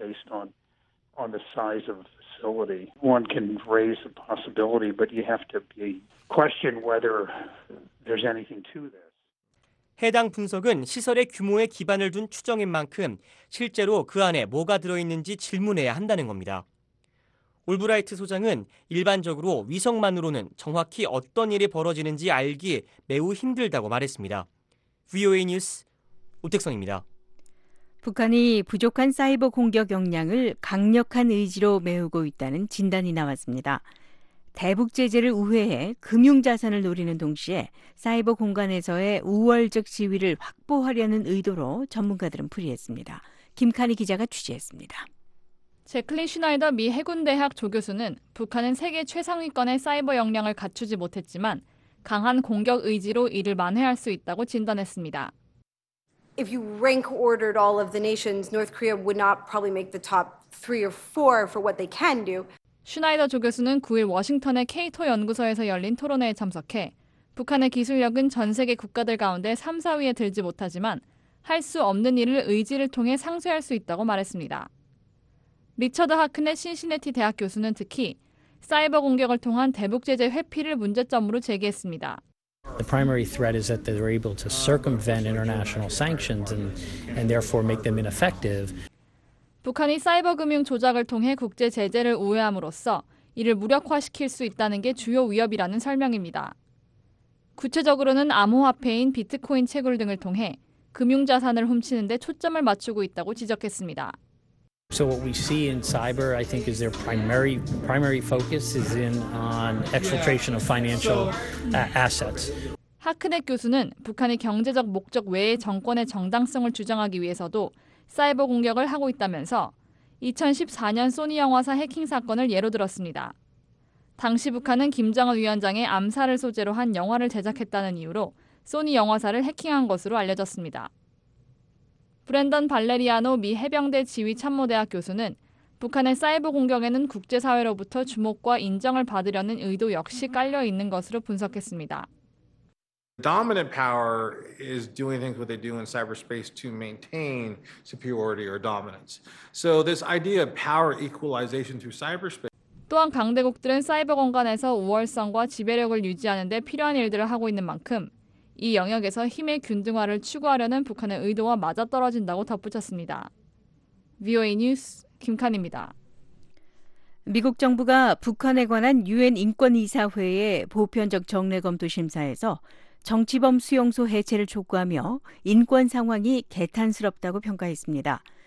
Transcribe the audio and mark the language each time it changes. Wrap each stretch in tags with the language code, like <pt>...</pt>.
<en>On the size of a facility, one can raise the possibility, but you have to be question whether there's anything to this.</en> <ko>해당 분석은 시설의 규모에 기반을 둔 추정인 만큼 실제로 그 안에 뭐가 들어있는지 질문해야 한다는 겁니다. 올브라이트 소장은 일반적으로 위성만으로는 정확히 어떤 일이 벌어지는지 알기 매우 힘들다고 말했습니다. VOA 뉴스 오택성입니다. 북한이 부족한 사이버 공격 역량을 강력한 의지로 메우고 있다는 진단이 나왔습니다. 대북 제재를 우회해 금융 자산을 노리는 동시에 사이버 공간에서의 우월적 지위를 확보하려는 의도로 전문가들은 풀이했습니다. 김카니 기자가 취재했습니다. 제클린 슈나이더 미 해군대학 조교수는 북한은 세계 최상위권의 사이버 역량을 갖추지 못했지만 강한 공격 의지로 이를 만회할 수 있다고 진단했습니다.</ko> <en>If you rank ordered all of the nations, North Korea would not probably make the top three or four for what they can do.</en> <ko>슈나이더 조교수는 9일 워싱턴의 케이토 연구소에서 열린 토론회에 참석해 북한의 기술력은 전 세계 국가들 가운데 3, 4위에 들지 못하지만 할 수 없는 일을 의지를 통해 상쇄할 수 있다고 말했습니다. 리처드 하크넷 신시내티 대학 교수는 특히 사이버 공격을 통한 대북 제재 회피를 문제점으로 제기했습니다.</ko> <en>The primary threat is that they were able to circumvent international sanctions and therefore make them ineffective.</en> <ko>북한이 사이버 금융 조작을 통해 국제 제재를 우회함으로써 이를 무력화시킬 수 있다는 게 주요 위협이라는 설명입니다. 구체적으로는 암호화폐인 비트코인 채굴 등을 통해 금융자산을 훔치는 데 초점을 맞추고 있다고 지적했습니다.</ko> <en>So what we see in cyber, I think, is their primary focus is in on exfiltration of financial assets.</en> <ko>하크넷 교수는 북한이 경제적 목적 외에 정권의 정당성을 주장하기 위해서도 사이버 공격을 하고 있다면서 2014년 소니 영화사 해킹 사건을 예로 들었습니다. 당시 북한은 김정은 위원장의 암살을 소재로 한 영화를 제작했다는 이유로 소니 영화사를 해킹한 것으로 알려졌습니다. 브랜던 발레리아노 미 해병대 지휘참모대학 교수는 북한의 사이버 공격에는 국제사회로부터 주목과 인정을 받으려는 의도 역시 깔려 있는 것으로 분석했습니다.</ko> <en>Dominant power is doing things what they do in cyberspace to maintain superiority or dominance. So this idea of power equalization through cyberspace.</en> <ko>또한 강대국들은 사이버 공간에서 우월성과 지배력을 유지하는 데 필요한 일들을 하고 있는 만큼 이 영역에서 힘의 균등화를 추구하려는 북한의 의도와 맞아떨어진다고 덧붙였습니다. VOA 뉴스 김칸입니다. 미국 정부가 북한에 관한 유엔 인권이사회의 보편적 정례 검토 심사에서 정치범 수용소 해체를 촉구하며 인권 상황이 개탄스럽다고 평가했습니다.</ko>